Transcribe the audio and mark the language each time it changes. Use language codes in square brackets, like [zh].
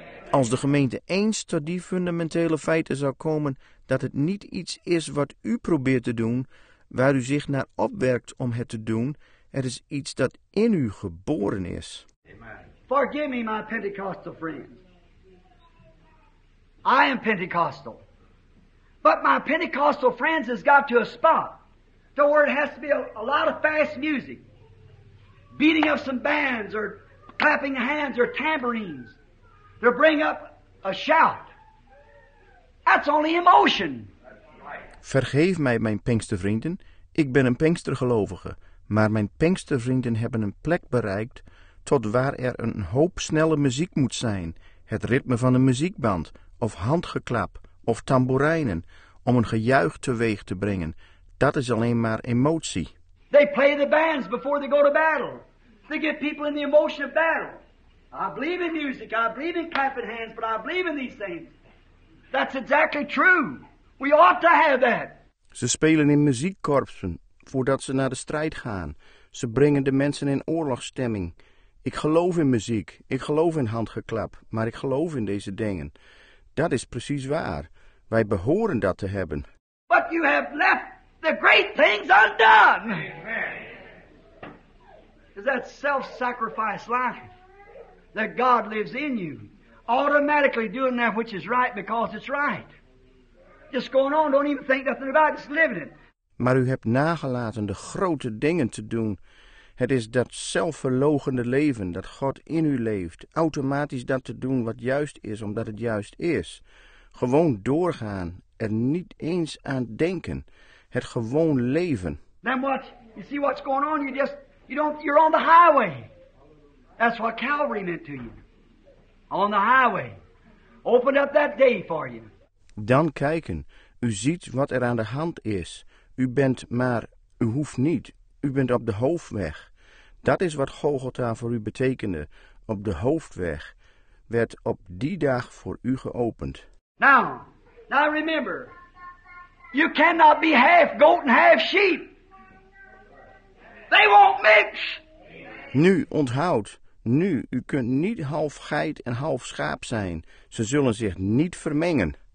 [nl] Als de gemeente eens tot die fundamentele feiten zou komen dat het niet iets is wat u probeert te doen, waar u zich naar opwerkt om het te doen, het is iets dat in u geboren is. [en] Forgive me, my Pentecostal friends. I am Pentecostal. But my Pentecostal friends has got to a spot to where it has to be a lot of fast music. Beating up some bands or clapping hands or tambourines to bring up a shout. That's only emotion. [nl] Vergeef mij, mijn Pinkstervrienden. Ik ben een Pinkstergelovige. Maar mijn Pinkstervrienden hebben een plek bereikt tot waar er een hoop snelle muziek moet zijn. Het ritme van een muziekband, of handgeklap, of tamboerijnen, om een gejuich teweeg te brengen. Dat is alleen maar emotie. [en] They play the bands before they go to battle. They get people in the emotion of battle. I believe in music, I believe in clapping hands, but I believe in these things. That's exactly true. We ought to have that. [nl] Ze spelen in muziekkorpsen voordat ze naar de strijd gaan. Ze brengen de mensen in oorlogsstemming. Ik geloof in muziek, ik geloof in handgeklap, maar ik geloof in deze dingen. Dat is precies waar. Wij behoren dat te hebben. [en] But you have left the great things undone. Is that self-sacrifice life that God lives in you? Automatically doing that which is right because it's right. Just going on, don't even think nothing about it, just living it. [nl] Maar u hebt nagelaten de grote dingen te doen. Het is dat zelfverloochende leven dat God in u leeft. Automatisch dat te doen wat juist is, omdat het juist is. Gewoon doorgaan, er niet eens aan denken. Het gewoon leven. [en] Then what, you see what's going on, you're on the highway. That's what Calvary meant to you. On the highway. Opened up that day for you. [nl] Dan kijken, u ziet wat er aan de hand is. U bent maar, u hoeft niet. U bent op de hoofdweg. Dat is wat Golgotha voor u betekende. Op de hoofdweg werd op die dag voor u geopend. [en] Now remember, you cannot be half goat and half sheep. They won't mix. [nl] Nu, onthoud. Nu, u kunt niet half geit en half schaap zijn. Ze zullen zich niet vermengen.